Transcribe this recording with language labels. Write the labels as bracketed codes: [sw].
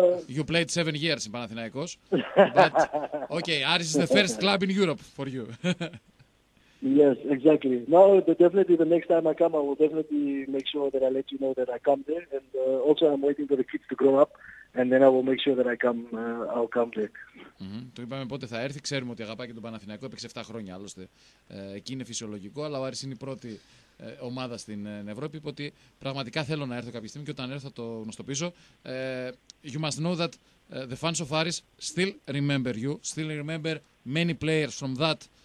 [en] You played 7 years in Panathinaikos. But okay, Aris is the first club in Europe for you. Yes, exactly. No, definitely the next time I come, I will definitely make sure that I let you know that I come there. And also, I'm waiting for the kids to grow up, and then I will make sure that I come. I'll come there. [el] Mm-hmm. Το είπαμε πότε θα έρθει. Ξέρουμε ότι αγαπά και τον Παναθηναϊκό. Έπαιξε 7 χρόνια άλλωστε. Εκεί είναι φυσιολογικό, αλλά ο Άρης είναι η πρώτη ομάδα στην Ευρώπη. Είπε ότι πραγματικά θέλω να έρθω κάποια στιγμή και όταν έρθω θα το γνωστοποιήσω. [en] You must know that the fans of Άρης still remember you, still remember many players from that.